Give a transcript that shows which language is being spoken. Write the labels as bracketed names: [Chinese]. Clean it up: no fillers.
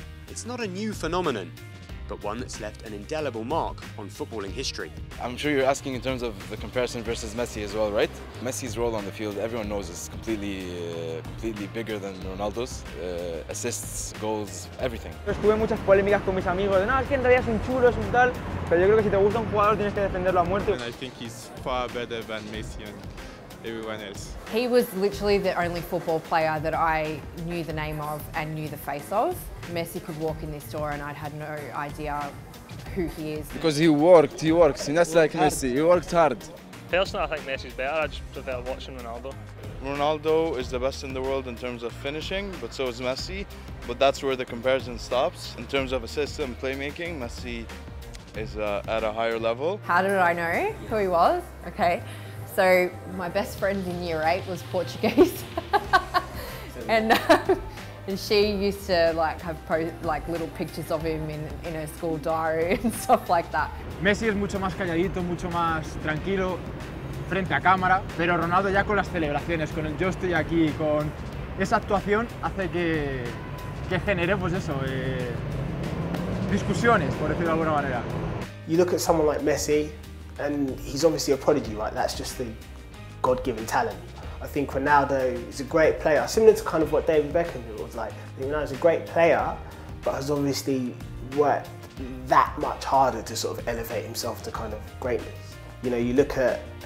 [English] It's not a new phenomenon, but one that's left an indelible mark on footballing history. I'm sure you're asking in terms of the comparison versus Messi as well, right? Messi's role on the field, everyone knows, is completely bigger than Ronaldo's. Assists, goals, everything. [Spanish] Estuve muchas polémicas con mis amigos. No, es que en realidad es un chulo, es un tal. Pero yo creo que si te gusta un jugador, tienes que defenderlo a muerte. [English] And I think he's far better than Messi and everyone else. He was literally the only football player that I knew the name of and knew the face of. Messi could walk in this door and I'd had no idea who he is. Because he works, and that's like Messi, he worked hard. Personally, I think Messi's better, I just prefer watching Ronaldo. Ronaldo is the best in the world in terms of finishing, but so is Messi, but that's where the comparison stops. In terms of assists and playmaking, Messi is at a higher level. How did I know who he was? Okay, so my best friend in year 8 was Portuguese. And she used to like have little pictures of him in her school diary and stuff like that. [Spanish] Messi es mucho más calladito, mucho más tranquilo frente a cámara, pero Ronaldo ya con las celebraciones, con el yo estoy aquí, con esa actuación hace que genere pues eso, discusiones, por decirlo de alguna manera. [English] You look at someone like Messi and he's obviously a prodigy, right? That's just the God-given talent. I think Ronaldo is a great player, similar to kind of what David Beckham was like. Ronaldo's a great player, but has obviously worked that much harder to sort of elevate himself to kind of greatness. You know, you look at